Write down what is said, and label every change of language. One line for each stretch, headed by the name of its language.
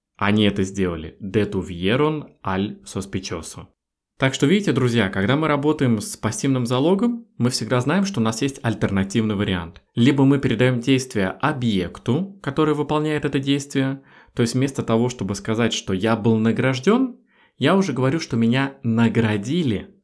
Russian: Они это сделали.
Spanish: Detuvieron al sospechoso.
Russian: Так что видите, друзья, когда мы работаем с пассивным залогом, мы всегда знаем, что у нас есть альтернативный вариант. Либо мы передаем действие объекту, который выполняет это действие. То есть вместо того, чтобы сказать, что я был награжден, я уже говорю, что меня наградили.